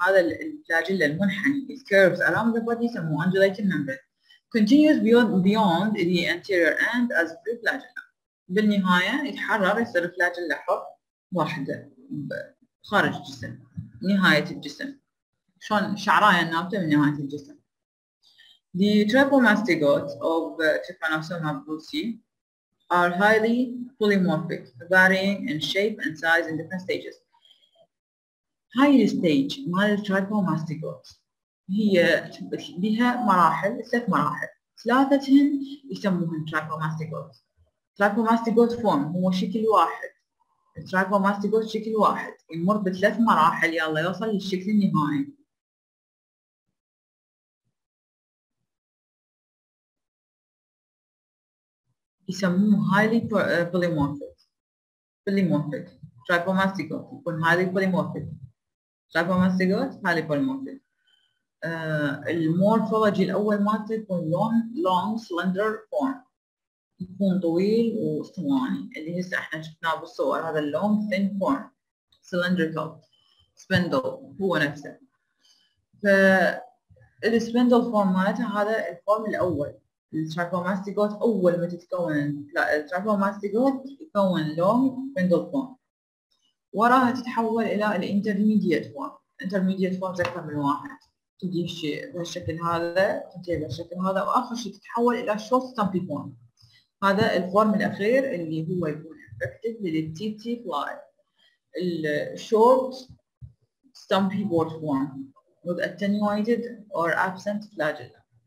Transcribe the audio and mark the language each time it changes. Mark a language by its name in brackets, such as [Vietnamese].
[Arabic] هذا الفلاجيلا المنحني الكيرفز [English] around the body [Arabic] يسموه انديوليتين ممبرين. [English] Continues beyond the anterior end as preflagella. [Arabic] بالنهاية يتحرر يصير flagella حر واحدة خارج الجسم نهاية الجسم. شلون شعراية نابتة من نهاية الجسم. [English] The trypomastigotes of Trypanosoma brucei are highly polymorphic, varying in shape and size in different stages. Higher stage [Arabic] مال trypomastigotes هي بها مراحل، ست مراحل، ثلاثتهن يسموهن trypomastigotes. trypomastigote form هو شكل واحد. trypomastigote شكل واحد يمر بثلاث مراحل يلا يوصل للشكل النهائي. يسموه highly polymorphic. polymorphic trypomastigote يكون highly polymorphic. [English] trypomastigote highly polymorphic. [Arabic] المورفولوجي الأول مالته يكون [English] long slender form [Arabic] يكون طويل واسطواني اللي هسه احنا شفناه بالصور. [English] هذا long thin form cylindrical spindle هو نفسه. [Arabic] فالسبندل فورم مالته هذا الفورم الأول الترافوماستيغوت أول ما تتكون الترافوماستيغوت يكون لون بندل فورم وراها تتحول إلى الانترميديات فورم انترميديات فورم أكثر من واحد تجي شيء بهالشكل هذا تجي بهالشكل هذا وآخر شيء تتحول إلى شورت ستامبي فورم هذا الفورم الأخير اللي هو يكون إفكتيف للتي تي فلاي الشورت ستامبي بورد فورم [English] with attenuated or absent flagella.